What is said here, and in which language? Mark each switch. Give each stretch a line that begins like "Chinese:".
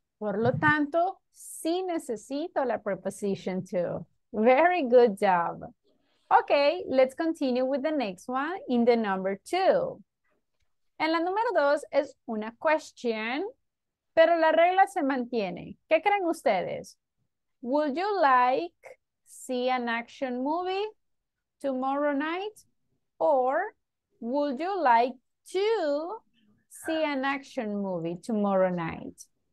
Spanish: Por lo tanto, sí necesito la preposition to.
English: Very good job. Okay, let's continue with the next one in the number two.
Spanish: En la número dos es una question, pero la regla se mantiene. ¿Qué creen ustedes?
English: Would you like see an action movie tomorrow night? Or would you like to see an action movie tomorrow night?